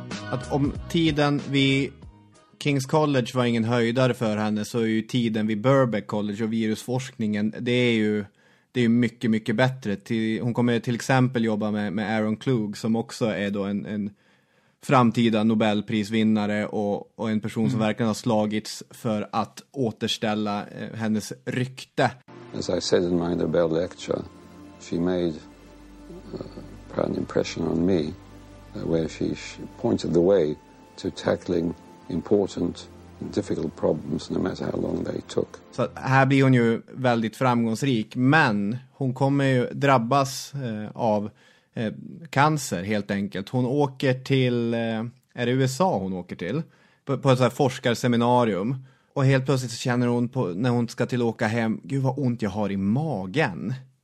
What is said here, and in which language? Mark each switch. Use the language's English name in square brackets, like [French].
[Swedish] Att om tiden vid King's College var ingen höjdare för henne, så är ju tiden vid Birkbeck College och virusforskningen, det är ju mycket, mycket bättre. Hon kommer till exempel jobba med Aaron Klug, som också är då en framtida Nobelprisvinnare och en person som verkligen har slagits för att återställa hennes rykte. [English] As I said in my Nobel lecture, she made an impression on me. Where she pointed the way to tackling important and difficult problems no matter how long they took. [Swedish] Så här blir hon ju väldigt framgångsrik, men hon kommer ju drabbas av cancer helt enkelt. Hon åker till, är det USA hon åker till? På ett så här forskarseminarium. Och helt plötsligt så känner hon på, när hon ska till åka hem, gud vad ont jag har i magen.